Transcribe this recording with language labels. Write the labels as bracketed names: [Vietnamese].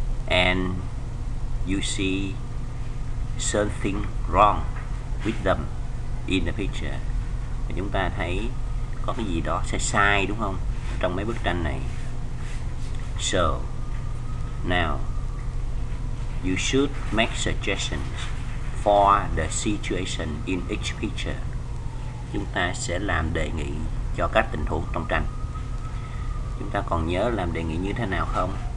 [English] And you see something wrong with them in the picture. [Vietnamese] Và chúng ta thấy có cái gì đó sai sai đúng không? Trong mấy bức tranh này. [English] So, now, you should make suggestions for the situation in each picture. [Vietnamese] Chúng ta sẽ làm đề nghị cho các tình huống trong tranh. Chúng ta còn nhớ làm đề nghị như thế nào không?